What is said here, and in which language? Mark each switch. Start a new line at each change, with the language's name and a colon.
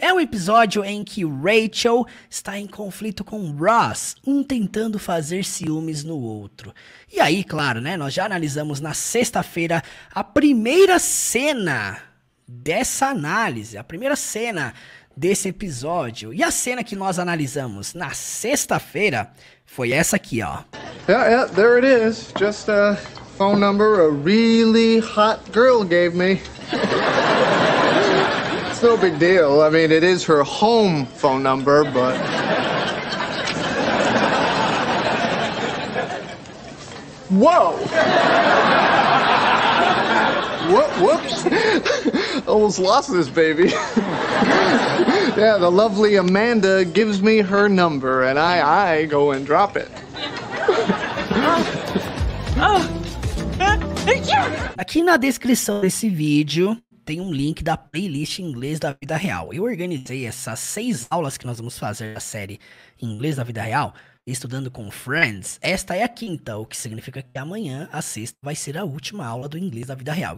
Portuguese: É um episódio em que Rachel está em conflito com Ross, um tentando fazer ciúmes no outro. E aí, claro, né? Nós já analisamos na sexta-feira a primeira cena dessa análise, a primeira cena desse episódio. E a cena que nós analisamos na sexta-feira foi essa aqui, ó.
English: There it is. Just a phone number a really hot girl gave me. No big deal. I mean, it is her home phone number, but. Whoa! Whoops! Almost lost this baby. Yeah, the lovely Amanda gives me her number, and I go and drop it.
Portuguese: Aqui na descrição desse vídeo tem um link da playlist Inglês da Vida Real. Eu organizei essas 6 aulas que nós vamos fazer da série Inglês da Vida Real, estudando com Friends. Esta é a quinta, o que significa que amanhã, a sexta, vai ser a última aula do Inglês da Vida Real.